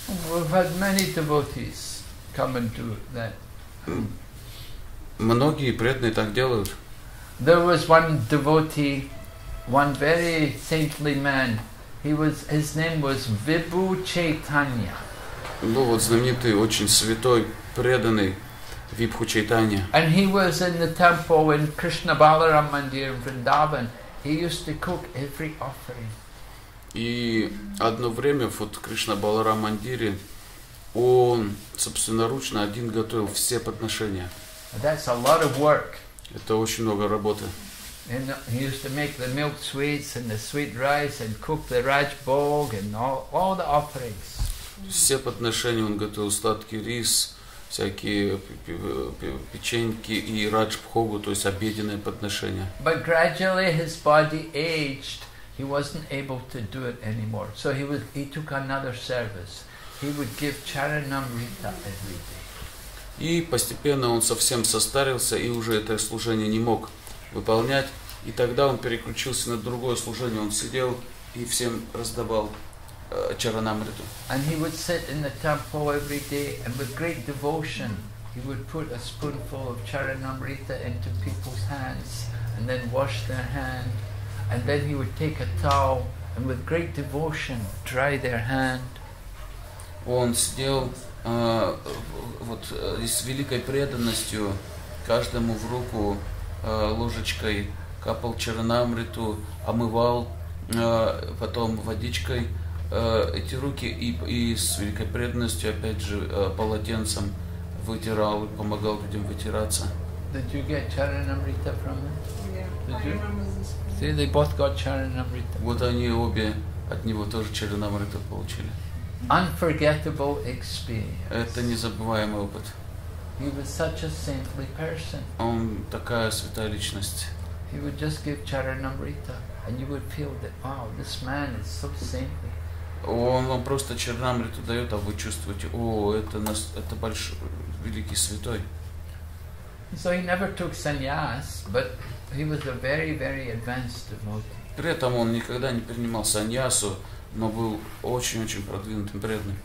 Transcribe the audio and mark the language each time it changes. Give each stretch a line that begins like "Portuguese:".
English: We've had many devotees come and do that.
Russian: Многие преданные так делают.
English: There was one devotee, one very saintly man. His name was Vibhu Chaitanya.
Russian: Ну вот знаменитый очень святой преданный Vibhu Chaitanya.
English: And he was in the temple in Krishna Balaram Mandir in Vrindavan. He used to cook every offering.
Russian: И одно время вот в Кришна Баларам Мандире он собственноручно один готовил все подношения.
English: That's a lot of work.
Russian: Это очень много работы.
English: And he used to make the milk sweets and the sweet rice and cook the rajbhog and all the offerings.
Russian: Все подношения он готовил, сладкий рис, всякие печеньки и раджбхогу, то есть обеденное подношение.
English: But gradually his body aged. He wasn't able to do it anymore. So he took another service. He would give charanamrita every day.
Russian: И постепенно он совсем состарился и уже это служение не мог выполнять. И тогда он переключился на другое служение. Он сидел и всем раздавал чаранамриту.
English: And he would sit in the temple every day and with great devotion he would put a spoonful of charanamrita into people's hands and then wash their hand. And then he would take a towel and with great devotion dry their hand.
Russian: Он сидел вот с великой преданностью каждому в руку ложечкой капал чаранамриту, омывал потом водичкой эти руки и с великой преданностью опять же полотенцем вытирал, помогал людям вытираться.
English: Did you get charanamrita from him? Yeah, did you? See, they both got charanamrita.
Russian: Вот они обе от него тоже чаранамриту получили.
English: Unforgettable experience.
Russian: Это незабываемый опыт.
English: He was such a saintly person.
Russian: Он такая святая личность.
English: He would just give charanamrita, and you would feel that, wow, this man is so saintly.
Russian: Он вам просто чаранамриту дает, а вы чувствуете, о, это большой, великий святой.
English: So he never took sannyas, but he was a very, very advanced devotee.
Russian: При этом он никогда не принимал саньясу, но был очень-очень продвинутым преданным.